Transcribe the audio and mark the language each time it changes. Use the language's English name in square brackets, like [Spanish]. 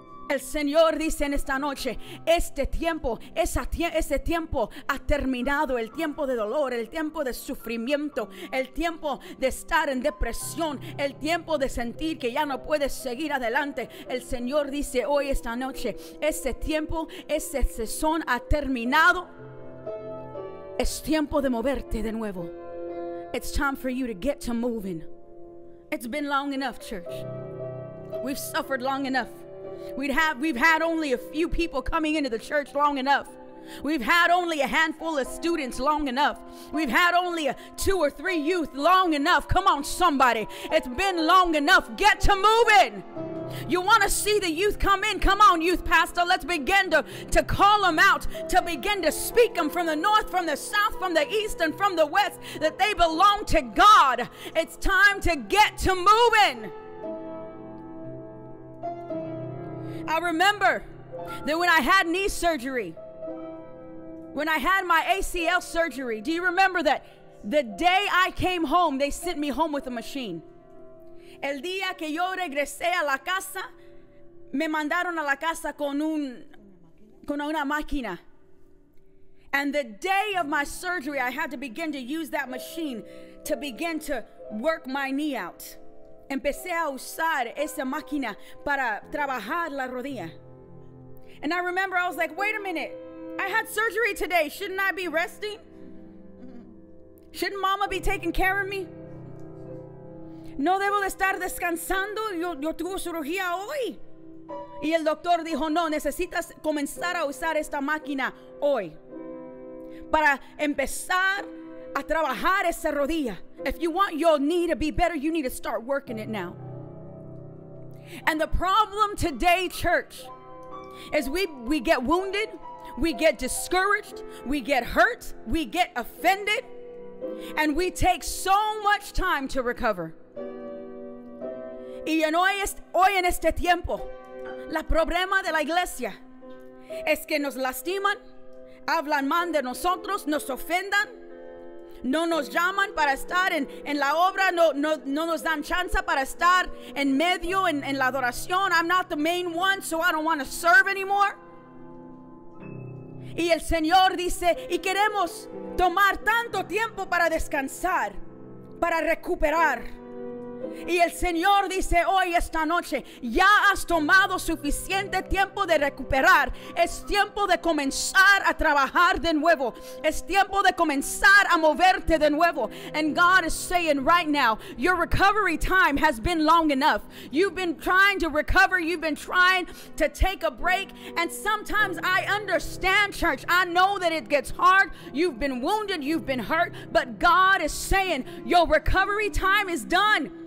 [Spanish] El Señor dice en esta noche, este tiempo, ese tiempo ha terminado, el tiempo de dolor, el tiempo de sufrimiento, el tiempo de estar en depresión, el tiempo de sentir que ya no puedes seguir adelante. El Señor dice hoy, esta noche, ese tiempo, ese sesón ha terminado, es tiempo de moverte de nuevo. [English] It's time for you to get to moving. It's been long enough, church. We've suffered long enough. We've had only a few people coming into the church long enough. We've had only a handful of students long enough. We've had only two or three youth long enough. Come on, somebody. It's been long enough. Get to moving. You want to see the youth come in? Come on, youth pastor. Let's begin to call them out, to begin to speak them from the north, from the south, from the east, and from the west, that they belong to God. It's time to get to moving. I remember that when I had knee surgery, when I had my ACL surgery, do you remember that? The day I came home, they sent me home with a machine. [Spanish] El día que yo regresé a la casa, me mandaron a la casa con una máquina. [English] And the day of my surgery, I had to begin to use that machine to begin to work my knee out. [Spanish] Empecé a usar esa máquina para trabajar la rodilla. [English] And I remember I was like, wait a minute. I had surgery today. Shouldn't I be resting? Shouldn't mama be taking care of me? [Spanish] No debo de estar descansando. Yo tuve cirugía hoy. Y el doctor dijo, no, necesitas comenzar a usar esta máquina hoy. Para empezar a trabajar esa rodilla. [English] If you want your knee to be better, you need to start working it now. And the problem today, church, is we get wounded, we get discouraged, we get hurt, we get offended, and we take so much time to recover. [Spanish] Y hoy en este tiempo, la problema de la iglesia es que nos lastiman, hablan mal de nosotros, nos ofendan. No nos llaman para estar en la obra. No nos dan chance para estar en medio en la adoración. [English] I'm not the main one, so I don't want to serve anymore. [Spanish] Y el Señor dice, y queremos tomar tanto tiempo para descansar, para recuperar. Y el Señor dice hoy, esta noche, ya has tomado suficiente tiempo de recuperar. Es tiempo de comenzar a trabajar de nuevo. Es tiempo de comenzar a moverte de nuevo. [English] And God is saying right now, your recovery time has been long enough. You've been trying to recover. You've been trying to take a break. And sometimes I understand, church. I know that it gets hard. You've been wounded. You've been hurt. But God is saying, your recovery time is done.